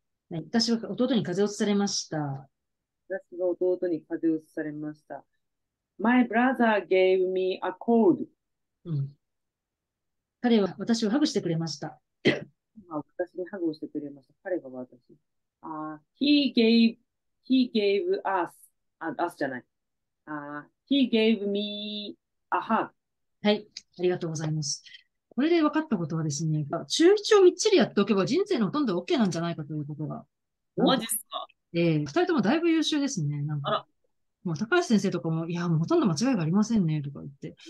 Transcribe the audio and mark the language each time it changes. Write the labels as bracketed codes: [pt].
[ja] はい、私は弟に風邪をうつされました。私が弟に風邪をうつされました。 [en] My brother gave me a cold. [ja] 彼は私をハグしてくれました。私にハグをしてくれました。彼が私。 [en] He gave us, us [ja] じゃない。 [en] He gave me a hug. [ja] はい、ありがとうございます。これで分かったことはですね、中1をみっちりやっておけば人生のほとんど OK なんじゃないかということが、なんマと。ジっすか？ええー、2人ともだいぶ優秀ですね、なんか。あら。もう高橋先生とかも、いや、もうほとんど間違いがありませんね、とか言ってい